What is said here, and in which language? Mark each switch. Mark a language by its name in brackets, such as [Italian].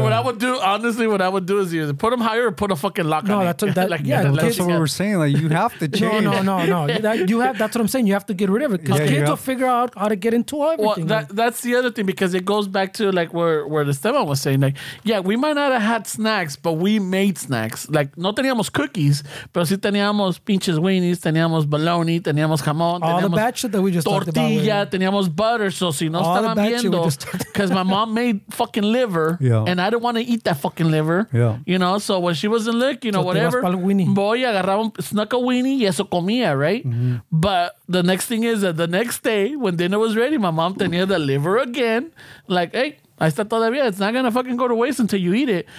[English] What I would do is either put them higher or put a fucking lock on it. That's what we're saying. Like, you have to change. No. That's what I'm saying. You have to get rid of it. Because kids will figure out how to get into everything. Well, that's the other thing, because it goes back to like where Esteban was saying. Like, yeah, we might not have had snacks, but we made snacks. Like, [Spanish] no teníamos cookies, pero sí teníamos pinches weenies, teníamos bologna, teníamos jamón. [English] All the bad shit that we just talked. Tortilla, [Spanish] teníamos [English] butter, so [Spanish] si no estaban viendo, [English] because my mom made fucking liver, and I didn't want to eat that fucking liver, you know, so when she wasn't licked, you know, whatever, [Spanish] voy, agarraba, [English] snuck a weenie, [Spanish] y eso comía, [English] right? Mm-hmm. But the next thing is that the next day, when dinner was ready, my mom [Spanish] tenía [English] the liver again, like, hey, [Spanish] ahí está todavía, [English] it's not going to fucking go to waste until you eat it.